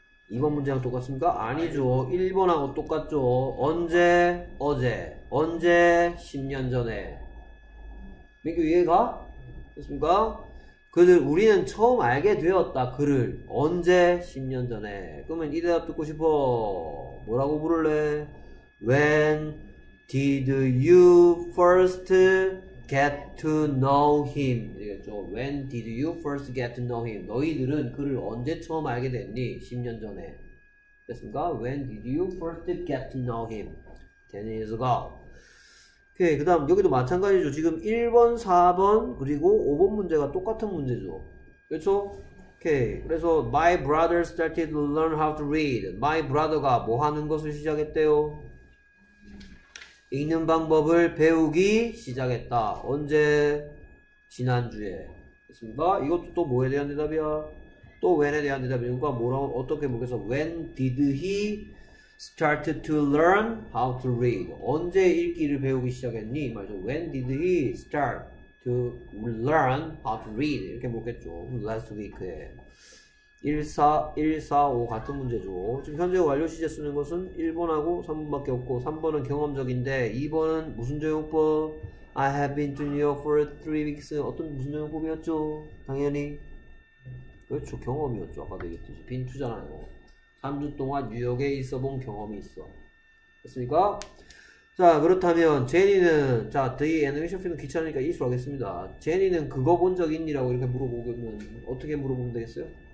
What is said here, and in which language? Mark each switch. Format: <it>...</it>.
<ko>2번 문제랑 똑같습니까? 아니죠. 1번하고 똑같죠. 언제? 어제. 언제? 10년 전에. 민규 이해가? 됐습니까? 그들 우리는 처음 알게 되었다. 그를. 언제? 10년 전에. 그러면 이 대답 듣고 싶어. 뭐라고 부를래?</ko> <en>When did you first get to know him?</en> <ko>이겠죠.</ko> <en>When did you first get to know him?</en> <ko>너희들은 그를 언제 처음 알게 됐니? 10년 전에. 됐습니까?</ko> <en>When did you first get to know him? 10 years ago.</en> <ko>오케이. 그 다음, 여기도 마찬가지죠. 지금 1번, 4번, 그리고 5번 문제가 똑같은 문제죠. 그렇죠? 오케이. 그래서,</ko> <en>My brother started to learn how to read.</en> <ko>My brother가 뭐 하는 것을 시작했대요? 읽는 방법을 배우기 시작했다. 언제? 지난주에. 됐습니까? 이것도 또 뭐에 대한 대답이야? 또 when에 대한 대답이니까 뭐라고 어떻게 보겠어?</ko> <en>When did he start to learn how to read?</en> <ko>언제 읽기를 배우기 시작했니? 말이죠.</ko> <en>When did he start to learn how to read?</en> <ko>이렇게 묻겠죠.</ko> <en>Last week</en> <ko>에. 1, 4, 5 같은 문제죠. 지금 현재 완료 시제 쓰는 것은 1번하고 3번밖에 없고 3번은 경험적인데 2번은 무슨 조용법?</ko> <en>I have been to New York for 3 weeks.</en> <ko>어떤 무슨 조용법이었죠? 당연히. 그렇죠. 경험이었죠. 아까도 얘기했듯이. 빈투잖아요. 3주 동안 뉴욕에 있어 본 경험이 있어. 됐습니까? 자, 그렇다면 제니는 자, The Animation Film 귀찮으니까 이수하겠습니다. 제니는 그거 본 적 있니라고 이렇게 물어보면 어떻게 물어보면 되겠어요?</ko>